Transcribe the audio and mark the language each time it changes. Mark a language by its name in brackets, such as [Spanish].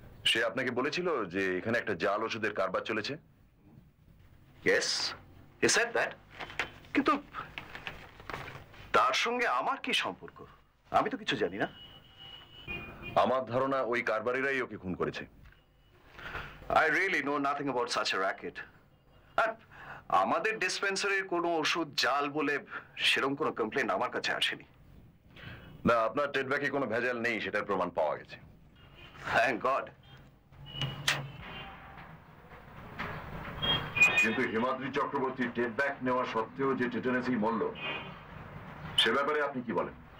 [Bangla] সে আপনাকে বলেছিল যে এখানে একটা জাল ওষুধের কারবার চলেছে [English] Yes, he said that. [Bangla] কিন্তু তার সঙ্গে আমার কি সম্পর্ক আমি তো কিছু জানি না আমার ধারণা ওই কারবারিরাই ওকে খুন করেছে [English] I really know nothing about such a racket. [Bangla] আর আমাদের ডিসপেন্সারির কোনো ওষুধ জাল বলে সেরকম কোনো কমপ্লেন আমার কাছে আসেনি না আপনার টেটব্যাকে কোনো ভেজাল নেই সেটার প্রমাণ পাওয়া গেছে [English] Thank God. [Bangla] কিন্তু হিমাদ্রি চক্রবর্তী টেট ব্যাক নেওয়া সত্ত্বেও যে টেটেনেসি মরল সে ব্যাপারে আপনি কি বলেন